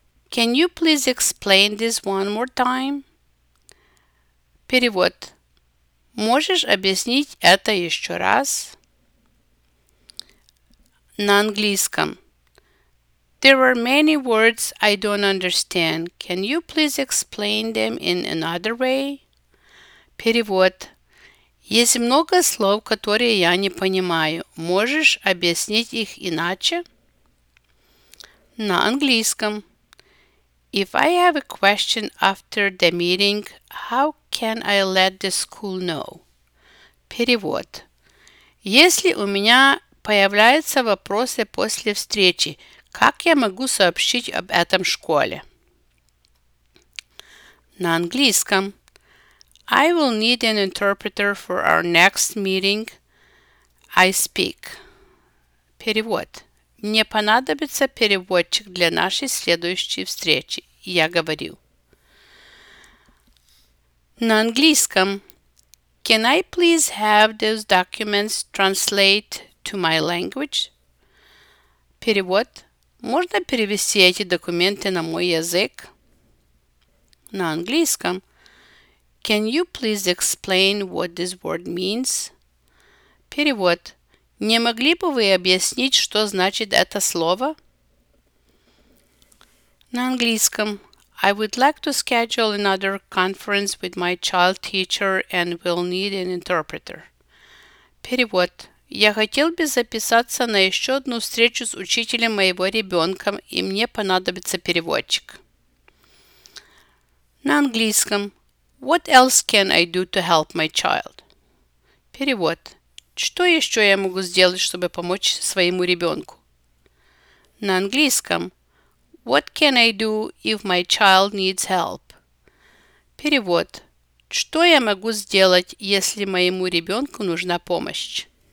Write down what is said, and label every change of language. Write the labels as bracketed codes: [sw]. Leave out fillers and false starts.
[en] Can you please explain this one more time? [ru] Перевод. Можешь объяснить это еще раз? На английском. [en] There are many words I don't understand. Can you please explain them in another way? [ru] Перевод. Есть много слов, которые я не понимаю. Можешь объяснить их иначе? На английском. [en] If I have a question after the meeting, how can I let the school know? [ru] Перевод. Если у меня появляются вопросы после встречи, как я могу сообщить об этом школе? На английском. [en] I will need an interpreter for our next meeting. I speak. [ru] Перевод. Мне понадобится переводчик для нашей следующей встречи. Я говорю. На английском. [en] Can I please have those documents translate to my language? [ru] Перевод. Можно перевести эти документы на мой язык? На английском. [en] Can you please explain what this word means? [ru] Перевод. Не могли бы вы объяснить, что значит это слово? На английском. [en] I would like to schedule another conference with my child teacher and will need an interpreter. [ru] Перевод. Я хотел бы записаться на еще одну встречу с учителем моего ребенка, и мне понадобится переводчик. На английском. [en] What else can I do to help my child? [ru] Перевод. Что еще я могу сделать, чтобы помочь своему ребенку? На английском. [en] What can I do if my child needs help? [ru] Перевод. Что я могу сделать, если моему ребенку нужна помощь?